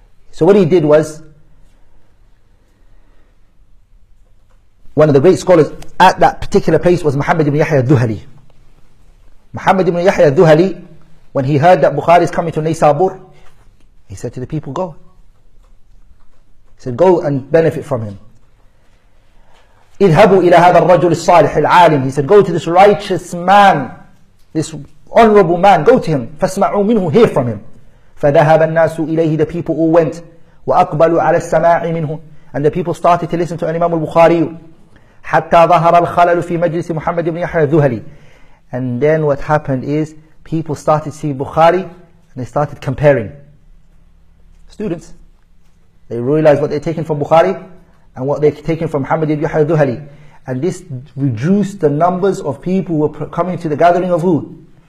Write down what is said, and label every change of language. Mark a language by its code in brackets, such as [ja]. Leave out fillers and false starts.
[en] So what he did was, one of the great scholars at that particular place was Muhammad ibn Yahya al-Duhali. Muhammad ibn Yahya al-Duhali, when he heard that Bukhari is coming to Naysabur, he said to the people, go. He said, go and benefit from him. [ar] اذهبوا إلى هذا الرجل الصالح العالم. [en] He said, go to this righteous man, this honorable man, go to him. [ar] فاسمعوا منه, [en] hear from him. [ar] فذهب الناس إليه, [en] the people all went. [ar] وأقبلوا على السماع منه, [en] and the people started to listen to Imam al-Bukhari. [ar] حتى ظهر الخلل في مجلس محمد بن يحيى الذهلي. [en] And then what happened is, people started seeing Bukhari and they started comparing. Students, they realized what they're taking from Bukhari and what they've taken from Muhammad ibn Yahya al-Duhali. And this reduced the numbers of people who were coming to the gathering of who?